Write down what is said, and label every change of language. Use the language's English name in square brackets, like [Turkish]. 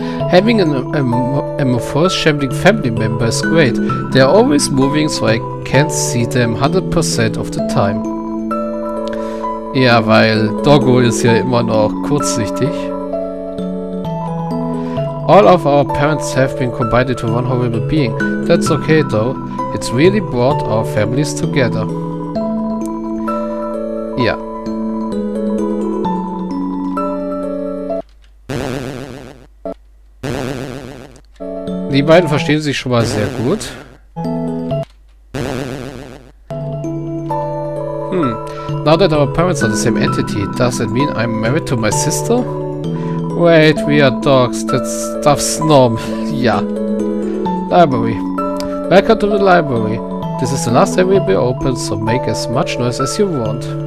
[English] Having an amorphous shambling family member is great. They're always moving, so I can't see them 100% of the time. [German] Ja, weil Doggo ist ja immer noch kurzsichtig. [English] All of our parents have been combined into one horrible being. That's okay, though. It's really brought our families together. [German] Ja. Die beiden verstehen sich schon mal sehr gut. Hm. [English] Now that our parents are the same entity, does it mean I'm married to my sister? Wait, we are dogs. That stuff's norm. Ja. Library. Welcome to the library. This is the last area we'll be open, so make as much noise as you want.